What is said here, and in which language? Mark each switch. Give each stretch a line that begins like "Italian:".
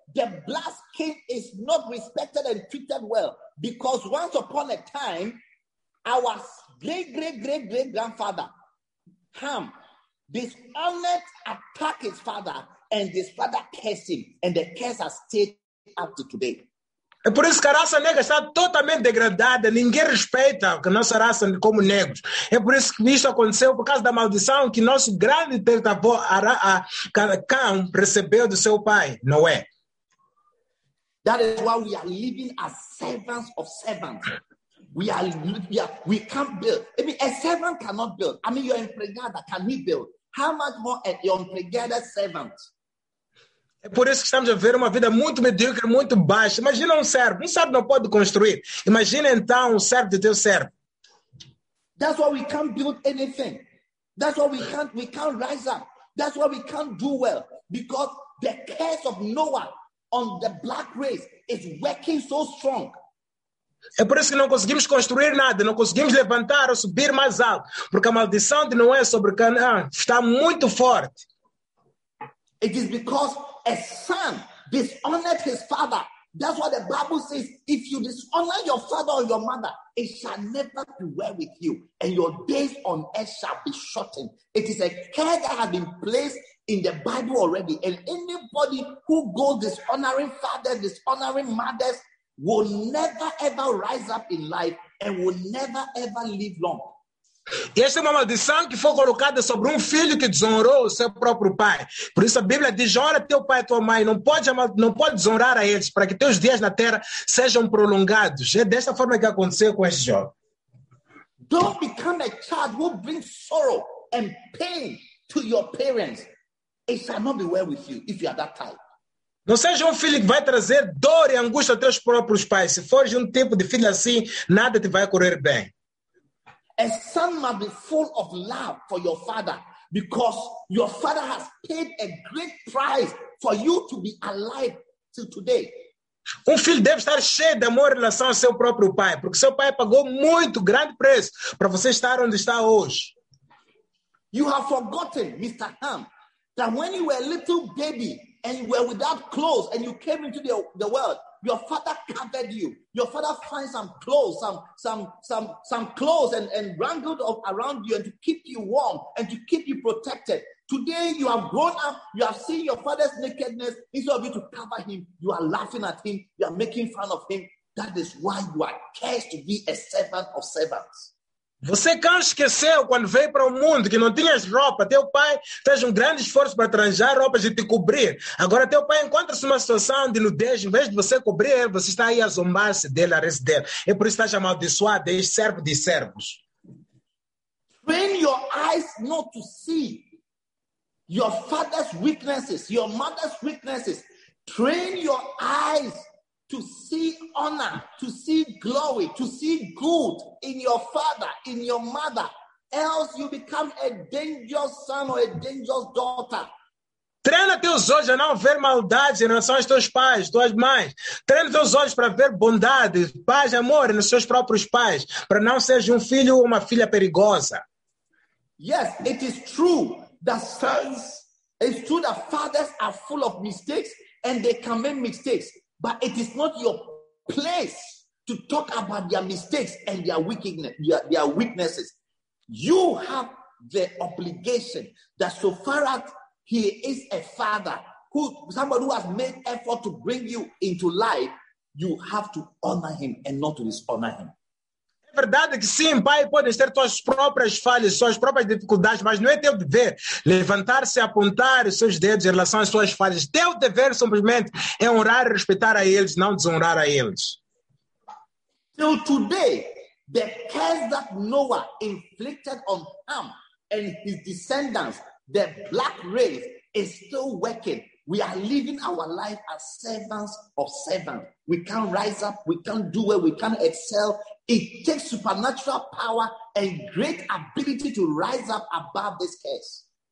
English: The black skin is not respected and treated well. Because once upon a time, our great-great-great-great-grandfather, Ham, dishonored, attacked his father, and his father cursed him. And the curse has stayed up to today.
Portuguese: É por isso que a raça negra está totalmente degradada. Ninguém respeita a nossa raça como negros. É por isso que isso aconteceu, por causa da maldição que nosso grande tetavô, Ham, recebeu do seu pai, Noé.
English: That is why we are living as servants of servants. We can't build. I mean, a servant cannot build. I mean, your empregada can he build? How much more a your empregada servant?
Portuguese: É por isso que estamos a viver uma vida muito medíocre, muito baixa. Imagina um servo. Um servo não pode construir. Imagina então um servo de teu servo.
English: That's why we can't build anything. That's why we can't rise up. That's why we can't do well. Because the curse of Noah on the black race is working so strong.
Portuguese: É por isso que não conseguimos construir nada, não conseguimos levantar ou subir mais alto, porque a maldição de Noé sobre Canaã está muito forte.
English: It is because a son dishonored his father. That's what the Bible says. If you dishonor your father or your mother, it shall never be well with you, and your days on earth shall be shortened. It is a care that has been placed in the Bible already, and anybody who goes dishonoring fathers, dishonoring mothers, will never ever rise up in life and will never ever live long.
Portuguese: Esta é uma maldição que foi colocada sobre filho que desonrou o seu próprio pai. Por isso a Bíblia diz, honra teu pai e tua mãe, não pode desonrar a eles, para que teus dias na terra sejam prolongados. É desta forma que aconteceu com este jovem.
English: Don't become a child who brings sorrow and pain to your parents. It shall not be well with you if you are that type.
Portuguese: Não seja filho que vai trazer dor e angústia aos teus próprios pais. Se fores tipo de filho assim, nada te vai correr bem.
English: A son must be full of love for your father, because your father has paid a great price for you to be alive till today.
Portuguese: Filho deve estar cheio de amor em relação ao seu próprio pai, porque seu pai pagou muito grande preço para você estar onde está hoje.
English: You have forgotten, Mr. Ham, that when you were a little baby and you were without clothes and you came into the world, your father covered you. Your father found some clothes and wrangled around you and to keep you warm and to keep you protected. Today you have grown up, you have seen your father's nakedness. Instead of you to cover him, you are laughing at him, you are making fun of him. That is why you are cursed to be a servant of servants.
Portuguese: Você cá esqueceu quando veio para o mundo que não tinhas roupa. Teu pai fez grande esforço para arranjar roupas e te cobrir. Agora teu pai encontra-se numa situação de nudez. Em vez de você cobrir ele, você está aí a zombar-se dele, a resto dele. É por isso que está amaldiçoado, é servo de servos.
English: Train your eyes not to see your father's weaknesses, your mother's weaknesses. Train your eyes to see honor, to see glory, to see good in your father, in your mother, else you become a dangerous son or a dangerous daughter.
Portuguese: Treina teus olhos a não ver maldade em relação aos teus pais, tuas mães. Treina teus olhos para ver bondade, paz e amor nos seus próprios pais, para não seja filho ou uma filha perigosa.
English: Yes, it is true that sons, it's true that fathers are full of mistakes and they can make mistakes. But it is not your place to talk about their mistakes and their weakness, their weaknesses. You have the obligation that so far as he is a father, somebody who has made effort to bring you into life, you have to honor him and not to dishonor him.
Portuguese: É verdade que sim, pai, podem ser suas próprias falhas, suas próprias dificuldades, mas não é teu dever levantar-se e apontar os seus dedos em relação às suas falhas. Teu dever, simplesmente, é honrar e respeitar a eles, não desonrar a eles.
English: Till today, the curse that Noah inflicted on Ham and his descendants, the black race, is still working. We are living our life as servants of servants. We can't rise up, we can't do well, we can't excel. It takes supernatural power and great ability to rise up above this curse.